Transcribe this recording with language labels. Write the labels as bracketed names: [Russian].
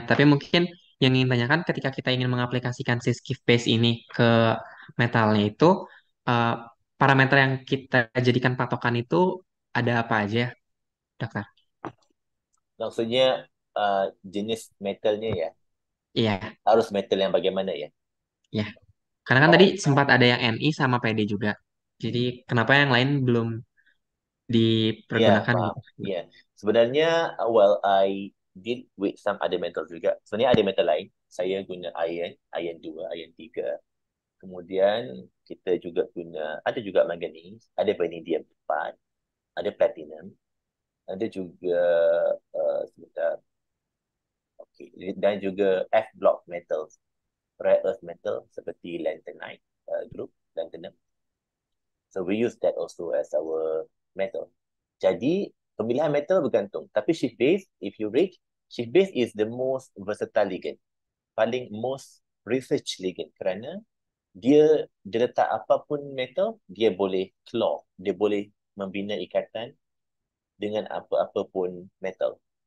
[Indonesian] Tapi mungkin yang ingin tanyakan ketika kita ingin mengaplikasikan si skill base ini ke metalnya itu, parameter yang kita jadikan patokan itu ada apa aja, dokter? Maksudnya jenis metalnya ya. Iya. Yeah. Harus metal yang bagaimana ya? Ya. Yeah. Karena kan tadi sempat ada yang Ni sama Pd juga. Jadi kenapa yang lain belum Ya, dipergunakan paham. gitu? Ya. Yeah. Sebenarnya, [English] well, I did with some other metal juga. [Malay] Sebenarnya ada metal lain. Saya guna iron, iron 2, iron 3. Kemudian, kita juga guna, ada juga manganese, ada vanadium 4, ada platinum. Ada juga sebentar. Okay. Dan juga F block metals, rare earth metal seperti lanthanide group, lanthanum. [English] So we use that also as our metal. [Malay] Jadi pemilihan metal bergantung. Tapi shift base, [English] if you reach, shift base is the most versatile ligand, [Malay] paling [English] most research ligand [Malay] kerana dia letak apa pun metal, dia boleh claw, dia boleh membina ikatan dengan apa-apa pun metal.